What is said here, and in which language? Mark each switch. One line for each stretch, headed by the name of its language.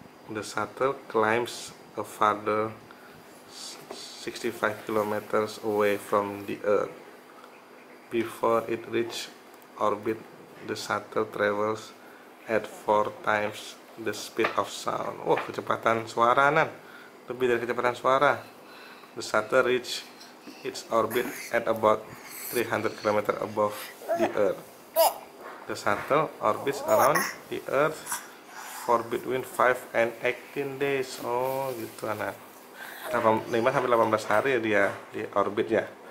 English: The shuttle climbs a further 65 km away from the Earth. Before it reaches orbit, the shuttle travels at 4 times the speed of sound.
Indonesian: Wah, kecepatan suara, Nan. Lebih dari kecepatan suara.
English: The shuttle reaches its orbit at about 300 km above the Earth. The shuttle orbits around the Earth for between 5 and 18 days.
Indonesian: Oh, gitu, Nan. 5-18 hari ya dia di orbit ya.